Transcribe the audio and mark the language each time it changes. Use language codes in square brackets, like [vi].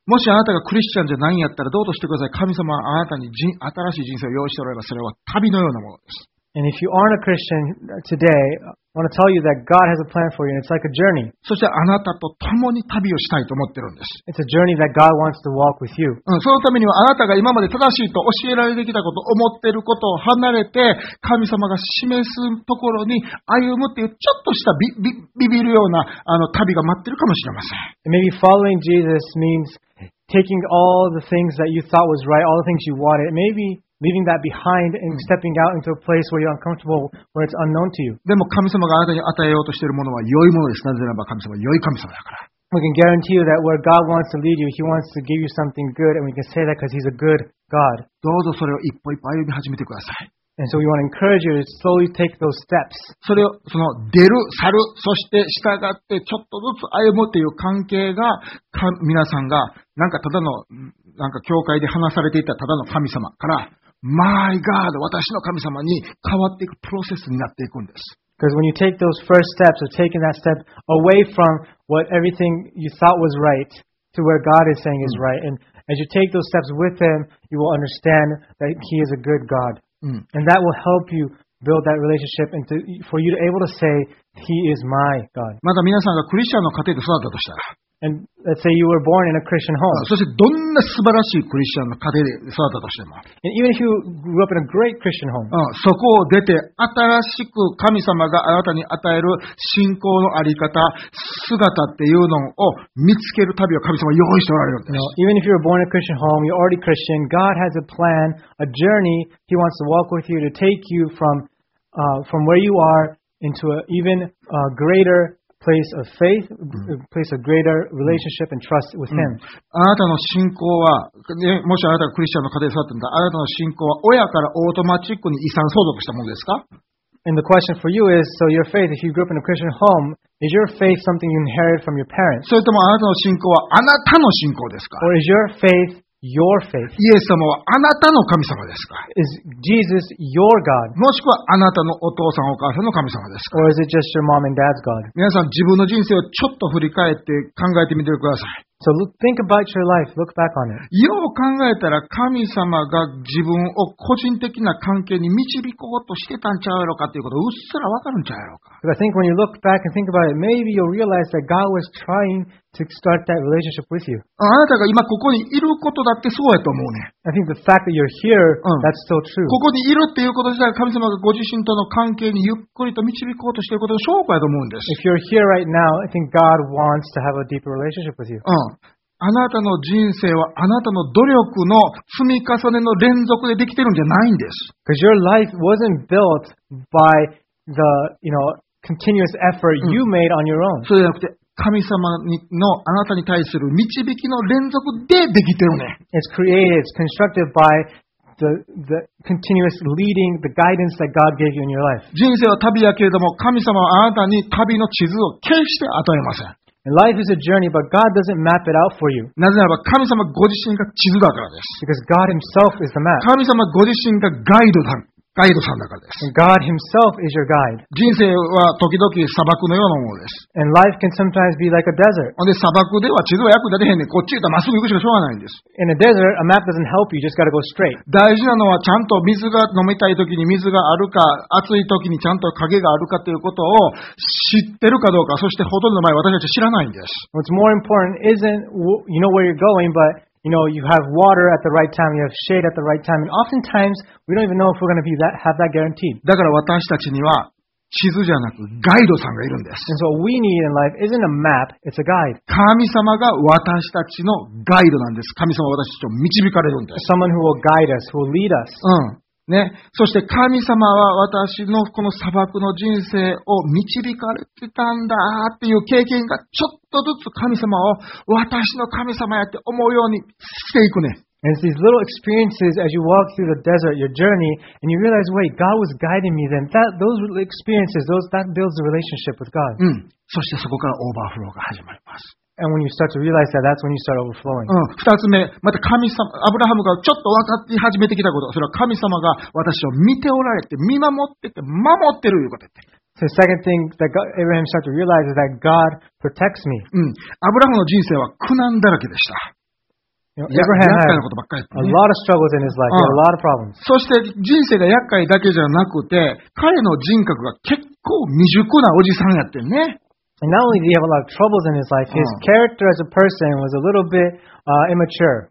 [ja] もしあなたがクリスチャンじゃないんやったらどうとしてください。神様はあなたに新しい人生を用意しておられば、それは旅のようなものです。 [en] And if you aren't a Christian today, I want to tell you that God has a plan for you and it's like a journey. [ja] そしてあなたと共に旅をしたいと思ってるんです。 [en] It's a journey that God wants to walk with you. [ja] そのためにはあなたが今まで正しいと教えられてきたこと、思ってることを離れて、神様が示すところに歩むっていうちょっとしたビビるようなあの旅が待ってるかもしれません。 [en] And maybe following Jesus means taking all the things that you thought was right, all the things you wanted, maybe... Leaving that behind and stepping out into a place where you're uncomfortable, where it's unknown to you. [ja] でも神様があなたに与えようとしているものは良いものです。なぜならば神様は良い神様だから。 [en] We can guarantee you that where God wants to lead you, He wants to give you something good, and we can say that because He's a good God. [ja] どうぞそれを一歩一歩歩み始めてください。 [en] And so we want to encourage you to slowly take those steps. [ja] それをその出る、去る、そして従ってちょっとずつ歩むという関係が皆さんがなんかただのなんか教会で話されていたただの神様から。 [en] My God, [ja] 私の神様に変わっていくプロセスになっていくんです。 [en] Because when you take those first steps or taking that step away from what everything you thought was right to where God is saying is right, and as you take those steps with Him, you will understand that He is a good God. And that will help you build that relationship and to, for you to be able to say, He is my God. [ja] まだ皆さんがクリスチャンの家庭で育ったとしたら。 [en] And let's say you were born in a Christian home. [ja] そしてどんな素晴らしいクリスチャンの家庭で育ったとしても。 [en] And even if you grew up in a great Christian home. [ja] そこを出て新しく神様があなたに与える信仰のあり方、姿っていうのを見つける旅を神様は用意しておられるんです。 [en] No, even if you were born in a Christian home, you're already Christian, God has a plan, a journey He wants to walk with you to take you from where you are into an even greater place of faith, place of greater relationship and trust with Him. [ja] あなたの信仰は、もしあなたがクリスチャンの家庭で育ったんだ、あなたの信仰は親からオートマチックに遺産相続したものですか？ [en] And the question for you is, so your faith, if you grew up in a Christian home, is your faith something you inherited from your parents? [ja] それともあなたの信仰はあなたの信仰ですか？ [en] Or is your faith your faith? [ja] イエス様はあなたの神様ですか？ [en] Is Jesus your God? [ja] もしくはあなたのお父さんお母さんの神様ですか？ [en] Or is it just your mom and dad's God? [ja] 皆さん自分の人生をちょっと振り返って考えてみてください。 [en] So think about your life. Look back on it. [ja] よく考えたら神様が自分を個人的な関係に導こうとしてたんちゃうやろかということをうっすらわかるんちゃうやろか。 [en] But I think when you look back and think about it, maybe you'll realize that God was trying to start that relationship with you. [ja] あなたが今ここにいることだってそうやと思うね。 [en] I think the fact that you're here, that's still true. [ja] ここにいるっていうこと自体が神様がご自身との関係にゆっくりと導こうとしていることの証拠やと思うんです。 [en] If you're here right now, I think God wants to have a deeper relationship with you. [ja] あなたの人生はあなたの努力の積み重ねの連続でできてるんじゃないんです。 [en] Because your life wasn't built by the, you know, continuous effort you made on your own. [ja] そうじゃなくて神様のあなたに対する導きの連続でできてるね。 [en] It's created, it's constructed by the continuous leading, the guidance that God gave you in your life. [ja] 人生は旅やけれども、神様はあなたに旅の地図を決して与えません。 [en] And life is a journey, but God doesn't map it out for you. [ja] なぜならば神様ご自身が地図だからです。 [en] Because God Himself is the map. [ja] 神様ご自身がガイドさんだからです。 [en] And God Himself is your guide. [ja] 人生は時々砂漠のようなものです。 [en] And life can sometimes be like a desert. [ja] で砂漠では地図は役に立てへんねん。こっち行ったらまっすぐ行くしかしょうがないんです。 [en] In a desert, a map doesn't help you. You just gotta go straight. [ja] 大事なのはちゃんと水が飲みたい時に水があるか、暑い時にちゃんと影があるかということを知ってるかどうか、そしてほとんどの場合私たち知らないんです。 [en] What's more important isn't you know where you're going, but You know, you have water at the right time, you have shade at the right time, and oftentimes we don't even know if we're going to be that, have that guaranteed. [ja] だから私たちには地図じゃなくガイドさんがいるんです。 [en] And so what we need in life isn't a map, it's a guide. [ja] 神様が私たちのガイドなんです。神様は私たちを導かれるんです。 [en] Someone who will guide us, who will lead us. [ja] うん。ね、そして神様は私のこの砂漠の人生を導かれてたんだっていう経験がちょっとずつ神様を私の神様やって思うようにしていくね。 [en] And it's these little experiences as you walk through the desert, your journey, and you realize, wait, God was guiding me then. That, those experiences, those, that builds a relationship with God. [ja] うん。そしてそこからオーバーフローが始まります。 [en] And when you start to realize that, that's when you start overflowing. [ja] うん。二つ目、また神様、アブラハムがちょっと分かって始めてきたこと、それは神様が私を見ておられて、見守ってて、守ってるいうことって。 [en] So the second thing that Abraham started to realize is that God protects me. [ja] うん。アブラハムの人生は苦難だらけでした。厄介なことばっかり。 [en] A lot of struggles in his life. A lot of problems. [ja] そして人生が厄介だけじゃなくて、彼の人格が結構未熟なおじさんやってんね。 [en] And not only did he have a lot of troubles in his life, his character as a person was a little bit immature.